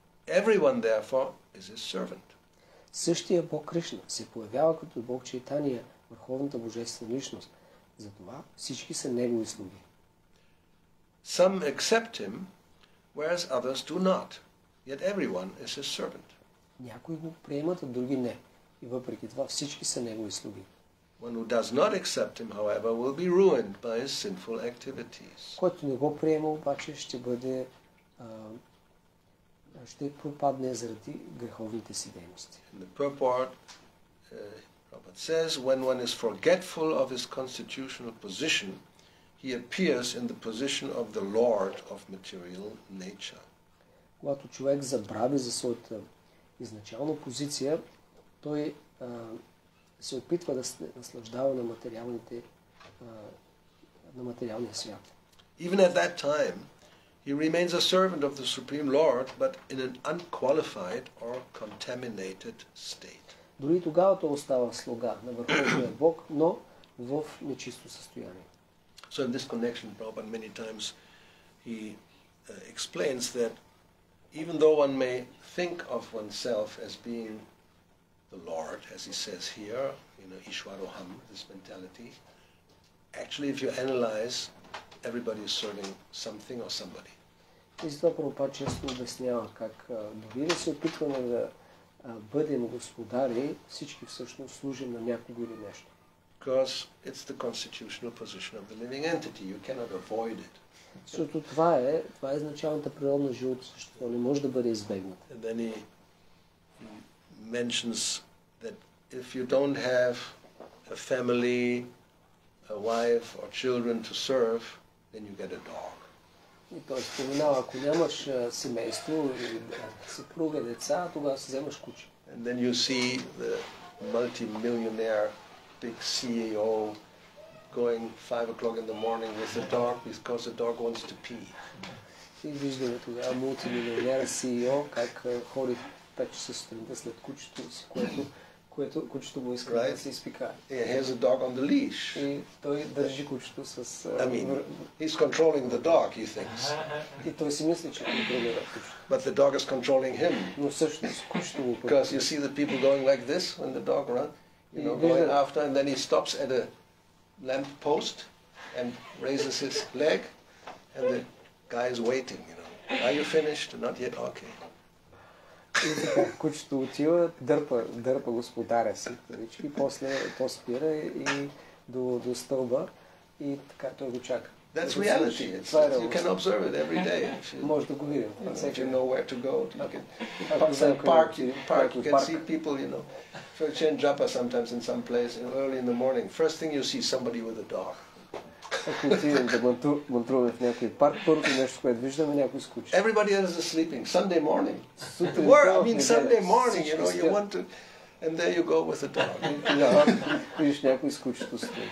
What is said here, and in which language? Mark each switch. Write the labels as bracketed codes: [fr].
[en] Everyone, therefore, is his servant. [bg] Същия Бог Кришна се появява като Бог Чайтания, върховната божествена личност. Затова всички са негови слуги. [en] Some accept him, whereas others do not. Yet everyone is his servant. [bg] Някои го приемат, а други не. И въпреки това всички са негови слуги. [en] One who does not accept him, however, will be ruined by his sinful activities. [bg] Който не го приема, обаче ще бъде ще пропадне заради греховните си дейности. [en] In the purport, Prabhupada says, when one is forgetful of his constitutional position, he appears in the position of the lord of material nature. [bg] Когато човек забрави за своята изначална позиция, той се опитва да се наслаждава на материалните на материалния свят. [en] Even at that time, he remains a servant of the Supreme Lord, but in an unqualified or contaminated state. [bg] Дори тогава той остава слуга на Върховния Бог, но в нечисто състояние. [en] So in this connection, Prabhupada many times he explains that even though one may think of oneself as being the Lord, as he says here, you know, Ishwaroham, this mentality, actually if you analyze, everybody is serving something or somebody. [bg] И затова Прабхупада често обяснява как дори да се опитваме да бъдем господари, всички всъщност служим на някого или нещо. [en] Because it's the constitutional position of the living entity. You cannot avoid it. [bg] Защото това е изначалната природа на живото същество, не може да бъде избегнат. [en] And then he mentions that if you don't have a family, a wife or children to serve, then you get a dog. [bg] И той споменава, ако нямаш семейство или съпруга, деца, тогава си вземаш куче. [en] And then you see the multi-millionaire big CEO going 5 o'clock in the morning with the dog because the dog wants to pee. [bg] И виждаме тогава мултимилионер CEO как ходи 5 часа сутринта след кучето си, което кучето му иска да се изпикае. [en] He has a dog on the leash. [bg] И той държи кучето с... [en] I mean, he's controlling the dog, he thinks. [bg] И той си мисли, че контролира кучето. [en] But the dog is controlling him. [bg] Но всъщност кучето му... [en] Because you see the people going like this when the dog run. You know, going after, and then he stops at a lamp post and raises his leg, and the guy is waiting, you know. Are you finished? Not yet? Okay. [bg] Кучето отива, дърпа господаря си, и после то спира и до стълба, и така той го чака. [en] That's reality. You can observe it every day. [bg] Може да го видим. [en] If you know where to go, you can see people, you know. So you change japa sometimes in some place early in the morning. First thing you see somebody with a dog. [bg] Ако отидем да мантруваме в някой парк, първото нещо, което виждаме, някой с куче. [en] Everybody else is sleeping. Sunday morning. Sunday morning, you know, you want to... And there you go with a dog. [bg] Виждаш някой с кучето си.